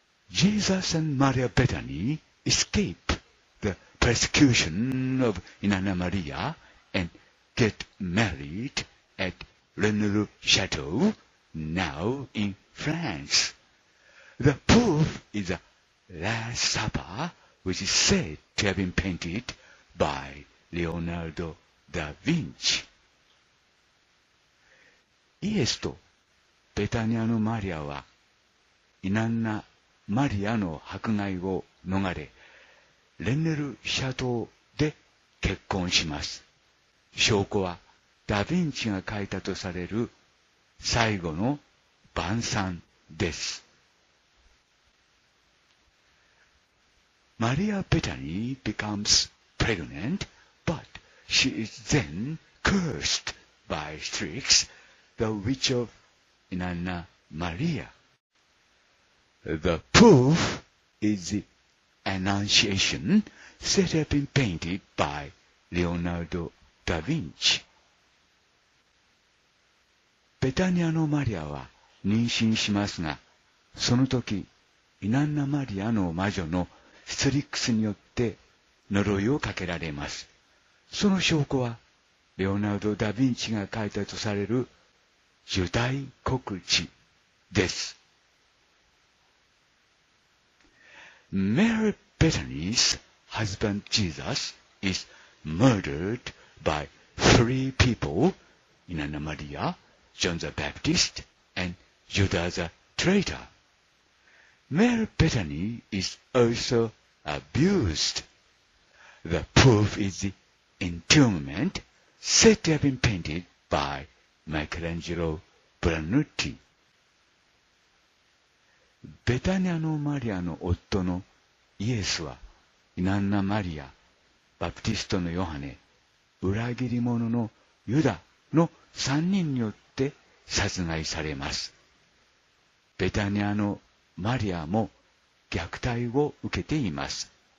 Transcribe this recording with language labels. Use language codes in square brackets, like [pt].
[en] Jesus and Maria Bethany escape the persecution of Inanna Maria and get married at Renel Chateau, now in France. The proof is the Last Supper, which is said to have been painted by Leonardo da Vinci. [ja] イエスとベタニアのマリアはイナンナ・マリアの迫害を逃れレンネル・シャトーで結婚します。証拠はダ・ヴィンチが書いたとされる最後の晩餐です。 [en] マリア・ベタニー becomes pregnant, but she is then cursed by Strix, the witch of Inanna Maria. The proof is the Annunciation set up and painted by Leonardo da Vinci. [ja] ベタニアのマリアは妊娠しますが、その時、イナンナ・マリアの魔女のストリックスによって呪いをかけられます。その証拠はレオナルド・ダ・ヴィンチが書いたとされる受胎告知です。 [en] Mary Bethany's husband Jesus is murdered by three people, Inanna Maria, John the Baptist and Judas the traitor. Mary Bethany is alsoabused. The proof is the entombment said to have been painted by Michelangelo Brunetti. [ja] ベタニアのマリアの夫のイエスはイナンナ・マリア、バプティストのヨハネ、裏切り者のユダの三人によって殺害されます。ベタニアのマリアも虐待を受けています。